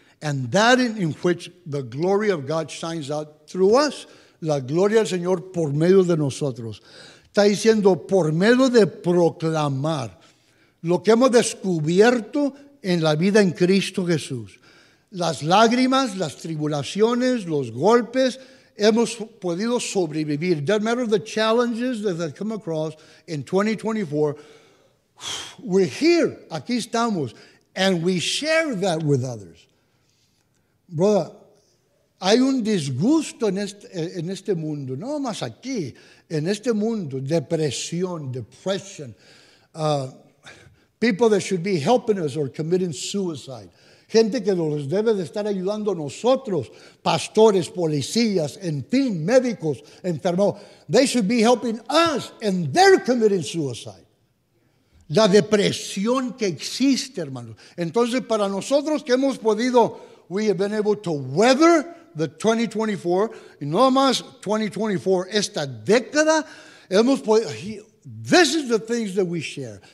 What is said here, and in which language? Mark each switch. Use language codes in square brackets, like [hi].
[en] And that in which the glory of God shines out through us. [es] La gloria del Señor por medio de nosotros. Está diciendo por medio de proclamar lo que hemos descubierto en la vida en Cristo Jesús. Las lágrimas, las tribulaciones, los golpes, hemos podido sobrevivir. [en] No matter the challenges that have come across in 2024, we're here, [es] aquí estamos, [en] and we share that with others. [es] Brother, hay un disgusto en este mundo, no más aquí, en este mundo, depresión, [en] people that should be helping us or committing suicide. [es] Gente que nos debe de estar ayudando a nosotros, pastores, policías, en fin, médicos, enfermos. [en] They should be helping us and they're committing suicide. [es] La depresión que existe, hermanos. Entonces, para nosotros que hemos podido, [en] we have been able to weather the 2024, [es] y no más 2024, esta década, hemos podido, [en] this is the things that we share.